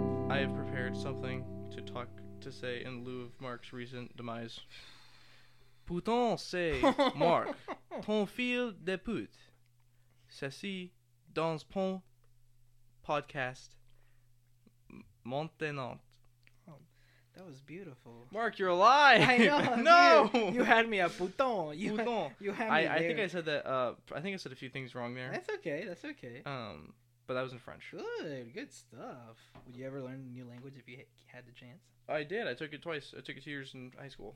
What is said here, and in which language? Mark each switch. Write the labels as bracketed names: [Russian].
[English] I have prepared something to say in lieu of Mark's recent demise. [French] Putain, c'est Mark, ton fils de pute. Ceci dans ton podcast maintenant. [English] That was beautiful. Mark, you're alive. I know. No. Dude, you had me at putain. You [French] putain. [English] had me I think there. I said that I think I said a few things wrong there. That's okay. That's okay. But that was in French. Good stuff. Would you ever learn a new language if you had the chance? I did. I took it twice. I took it 2 years in high school.